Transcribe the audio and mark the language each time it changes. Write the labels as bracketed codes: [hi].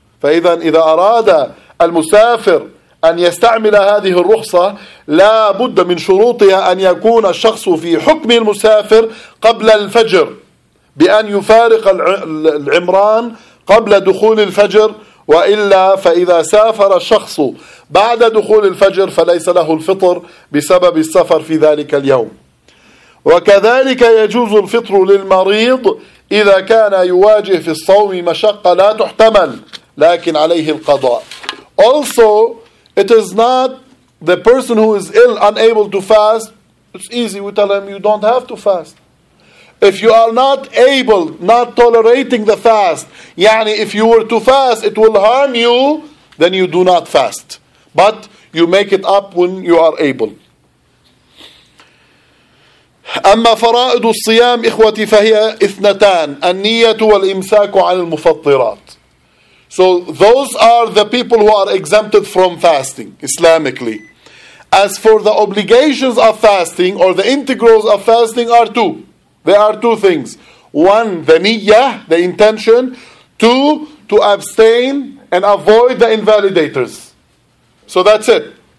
[ar] فَإِذًا إِذَا أَرَادَ الْمُسَافِرُ أن يستعمل هذه الرخصة لا بد من شروطها أن يكون الشخص في حكم المسافر قبل الفجر بأن يفارق العمران قبل دخول الفجر وإلا فإذا سافر الشخص بعد دخول الفجر فليس له الفطر بسبب السفر في ذلك اليوم وكذلك يجوز الفطر للمريض إذا كان يواجه في الصوم مشقة لا تحتمل لكن عليه القضاء. [en] Also, it is not the person who is ill, unable to fast. It's easy, we tell him, you don't have to fast. If you are not able, not tolerating the fast, yani if you were to fast, it will harm you, then you do not fast. But you make it up when you are able. [ar] أما فرائض الصيام إخوتي فهي اثنتان النية والإمساك عن المفطرات. [en] So those are the people who are exempted from fasting Islamically. As for the obligations of fasting or the integrals of fasting are two. There are two things. One, the niyyah, the intention. Two, to abstain and avoid the invalidators. So that's it.